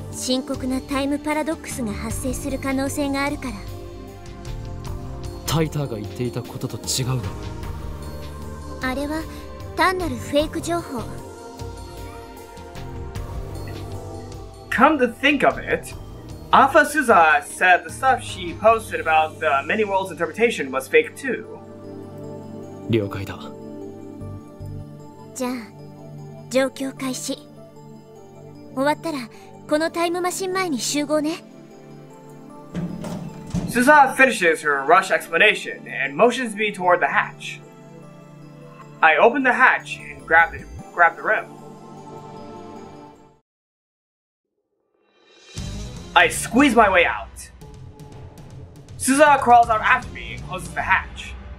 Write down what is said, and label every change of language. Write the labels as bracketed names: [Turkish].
[Japanese] 深刻なタイムパラドックスが発生する可能性があるから。タイターが言っていたことと違うの？あれは単なるフェイク情報。 [English] Come to think of it, Alpha Suzuha said the stuff she posted about the many worlds interpretation was fake too. [Japanese] 了解だ。じゃあ状況開始。終わったらこのタイムマシン前に集合ね。 [English] Suzuha finishes her rush explanation and motions me toward the hatch. I open the hatch and grab the rim. I squeeze my way out. Suzuha crawls out after me and closes the hatch.